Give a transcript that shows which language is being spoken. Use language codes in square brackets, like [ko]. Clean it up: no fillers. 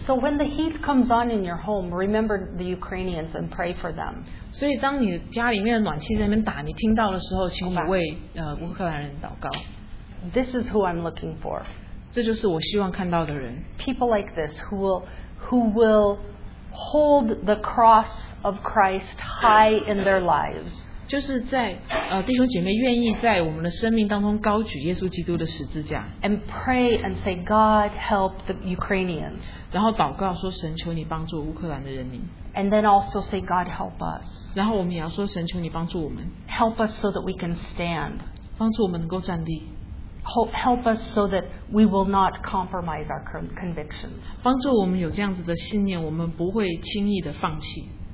[en] So when the heat comes on in your home, remember the Ukrainians and pray for them. [zh] 所以当你家里面的暖气在那边打，你听到的时候，请你为乌克兰人祷告。 [en] This is who I'm looking for. [zh] 这就是我希望看到的人。 [en] People like this who will hold the cross of Christ high in their lives. [zh] 就是在弟兄姐妹愿意在我们的生命当中高举耶稣基督的十字架 [en] and pray and say God help the Ukrainians [zh] 然后祷告说神求你帮助乌克兰的人民 [en] and then also say God help us [zh] 然后我们也要说神求你帮助我们 [en] help us so that we can stand [zh] 帮助我们能够站立 [en] help us so that we will not compromise our convictions [zh] 帮助我们有这样子的信念我们不会轻易的放弃